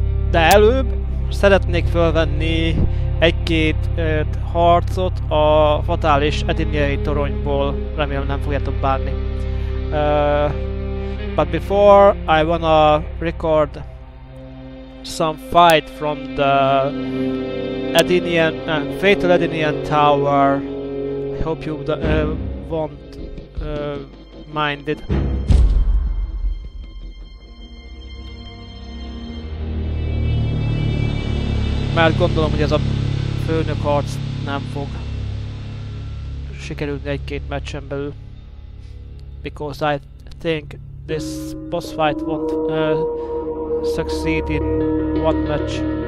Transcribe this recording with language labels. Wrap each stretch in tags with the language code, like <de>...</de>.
<hu>De előbb szeretnék felvenni egy-két harcot a fatális Edinjai toronyból, remélem nem fogjátok bánni.</hu> <en>But before I wanna record some fight from the Edinian Fatal Edinian Tower. I hope you won't mind it.</en> <hu>Mert gondolom, hogy ez a főnök harc nem fog sikerülni egy-két meccsen belül.</hu> <en>Because I think this boss fight won't succeed in one match.</en>